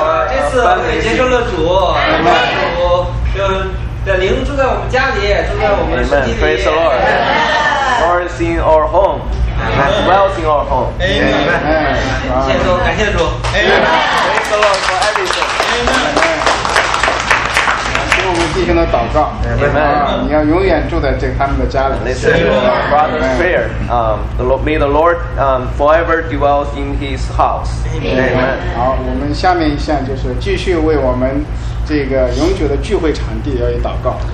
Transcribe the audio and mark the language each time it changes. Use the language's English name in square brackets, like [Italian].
[Chinese] 这次我们也接受了主，主就的灵住在我们家里，住在我们身体里。 [English] Praise the Lord, Lord is in our home. And wealth in our home. Amen. Amen. Thank you, Lord, for everything. [Chinese] Amen. 听我们弟兄的祷告。 [English] Amen. [Chinese] 你要永远住在这他们的家里。 [English] Listen to our brother's prayer. May the Lord forever dwell in his house. Amen. [Chinese] 好，我们下面一项就是继续为我们这个永久的聚会场地要祷告。